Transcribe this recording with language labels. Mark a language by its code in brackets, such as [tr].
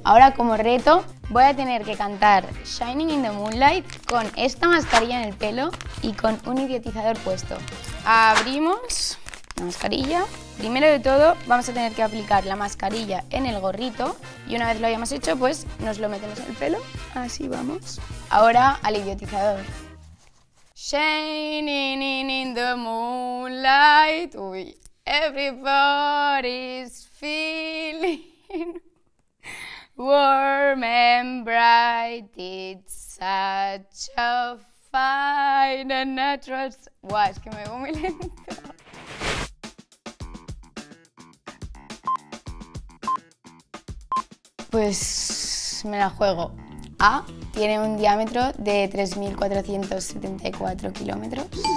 [es] Ahora, como reto, voy a tener que cantar Shining in the Moonlight con esta mascarilla en el pelo y con un idiotizador puesto. Abrimos la mascarilla. Primero de todo, vamos a tener que aplicar la mascarilla en el gorrito y una vez lo hayamos hecho, pues nos lo metemos en el pelo. Así vamos. Ahora al idiotizador. [en] Shining in the moonlight, with everybody's feeling warm and bright. It's such a fine and natural. [es] Buah, es que me voy muy lento. Pues me la juego. A tiene un diámetro de 3.474 kilómetros.